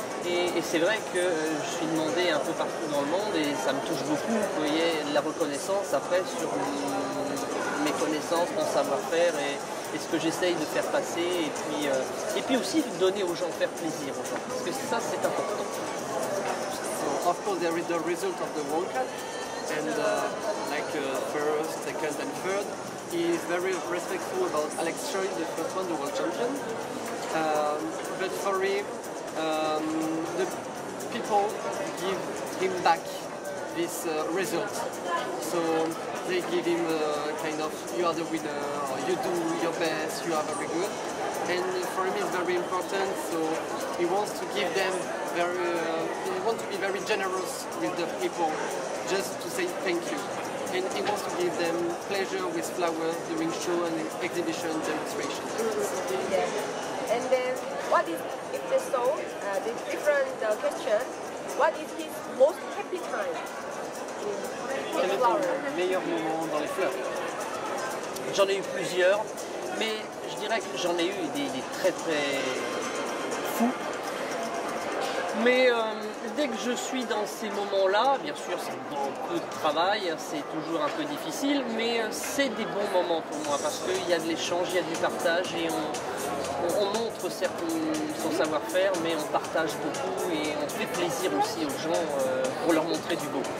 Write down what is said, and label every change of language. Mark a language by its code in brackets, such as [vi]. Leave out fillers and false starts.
[fr] Et c'est vrai que je suis demandé un peu partout dans le monde et ça me touche beaucoup. Vous voyez, la reconnaissance après sur mes connaissances, mon savoir-faire et ce que j'essaye de faire passer. Et puis aussi donner aux gens, faire plaisir aux gens. Parce que ça, c'est important. [en] So, of course, there is the result of the World Cup. And like first, second and third, he is very respectful about Alex Choi, the first one, the world champion. But for him, the people give him back this result. So they give him a kind of, you are the winner, or you do your best, you are very good. And for him it's very important, so he wants to give them he wants to be very generous with the people, just to say thank you. And he wants to give them pleasure with flowers during show and exhibition demonstration. Mm-hmm. Yeah. And then, what is, if they saw the different question, what is his most happy time in flowers? [fr] Meilleur moment dans les fleurs. J'en ai eu plusieurs, mais je dirais que j'en ai eu des très très fous. Mais dès que je suis dans ces moments-là, bien sûr, c'est beaucoup de travail, c'est toujours un peu difficile, mais c'est des bons moments pour moi parce qu'il y a de l'échange, il y a du partage et on montre certes son savoir-faire, mais on partage beaucoup et on fait plaisir aussi aux gens pour leur montrer du beau.